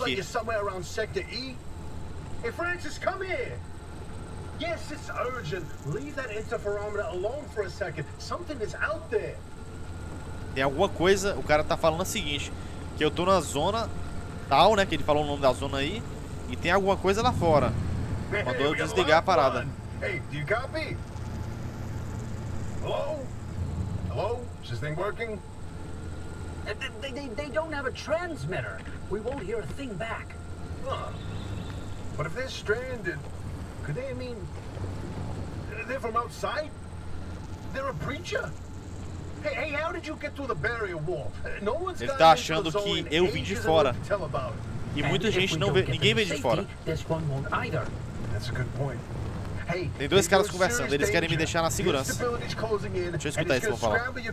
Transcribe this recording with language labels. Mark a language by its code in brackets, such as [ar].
[en] Looks like you're somewhere around Sector E. Hey, Francis, come here. Yes, it's urgent. Leave that interferometer alone for a second. Something is out there. [pt] Tem alguma coisa. O cara tá falando o seguinte, que eu tô na zona tal, né? Que ele falou o nome da zona aí. E tem alguma coisa lá fora. Mandou eu desligar a parada. [en] Hey, do you copy? Hello? Hello? Is this thing working? They don't have a transmitter. We won't hear a thing back. Huh. But if they're stranded, could they mean they're from outside? They're a preacher? Hey, how did you get through the barrier wall? No one's [pt] ele tá achando que eu vim de fora. E muita gente não vê, ninguém vem de fora. [en] That's a good point. Hey, [pt] tem dois caras conversando, eles querem me deixar na segurança. Deixa eu escutar isso, vou falar.